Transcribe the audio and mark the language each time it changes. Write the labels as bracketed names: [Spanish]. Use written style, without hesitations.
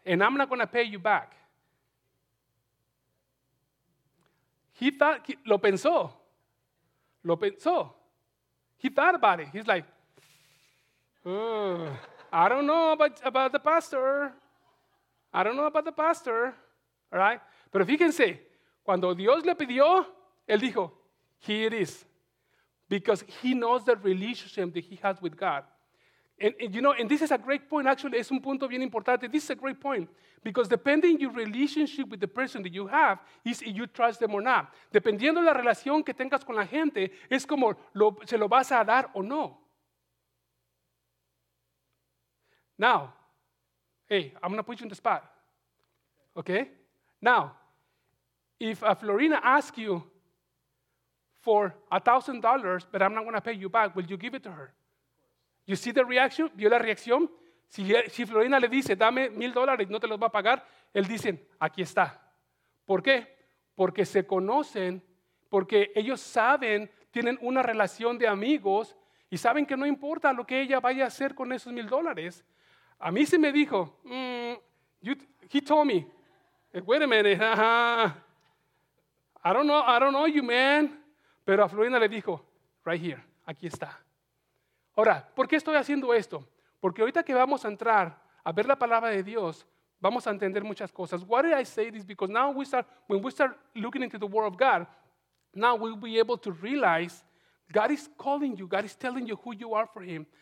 [English] And I'm not going to pay you back. He thought, [Spanish] lo pensó. [English] He thought about it. He's like, I don't know about the pastor. I don't know about the pastor. All right? [Spanish] Pero fíjense, cuando Dios le pidió, él dijo, [English] here it is. Because he knows the relationship that he has with God. And you know, and this is a great point, actually. [Spanish] Es un punto bien importante. [English] This is a great point. Because depending your relationship with the person that you have is if you trust them or not. [Spanish] Dependiendo la relación que tengas con la gente, es como se lo vas a dar o no. [English] Now, hey, I'm going to put you in the spot. Okay? Now, if Florina asks you for $1,000, but I'm not going to pay you back, will you give it to her? You see the reaction? [Spanish] ¿Vio la reacción? Si Florina le dice, dame $1,000 y no te los va a pagar, él dice, aquí está. ¿Por qué? Porque se conocen, porque ellos saben, tienen una relación de amigos y saben que no importa lo que ella vaya a hacer con esos $1,000. A mí se me dijo, [English] he told me, wait a minute, I don't know you, man. [Spanish] Pero a Florina le dijo, [English] right here, [Spanish] aquí está. Ahora, ¿por qué estoy haciendo esto? Porque ahorita que vamos a entrar a ver la palabra de Dios, vamos a entender muchas cosas. [English] Why did I say this? Because now when we start looking into the Word of God, now we'll be able to realize God is calling you. God is telling you who you are for Him.